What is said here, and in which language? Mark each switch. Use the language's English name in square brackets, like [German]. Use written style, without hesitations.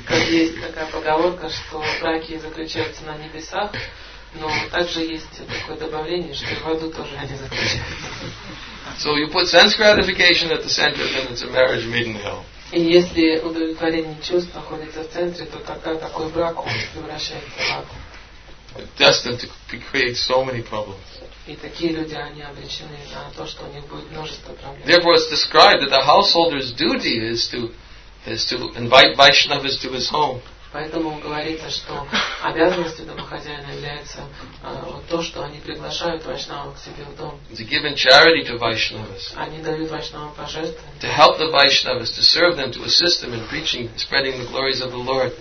[Russian] Есть такая поговорка, что браки заключаются на небесах, но также есть такое добавление, что в аду тоже они заключаются. [English] So you put sense gratification at the center, then it's a marriage made in hell. [Russian] И если удовлетворение чувств находится в центре, то тогда такой брак превращается в ад. [English] Destined to create so many problems. [Russian] И такие люди, они обречены на то, что у них будет множество проблем. [English] Therefore, it's described that the householder's duty is to invite Vaishnavas to his home. [Russian] Поэтому говорится, что обязанностью домохозяина является то, что они приглашают вайшнавов к себе в дом. [English] To give in charity to Vaishnavas. [Russian] Они дают вайшнавам пожертвования. [English] To help the Vaishnavas, to serve them, to assist them in preaching, spreading the glories of the Lord.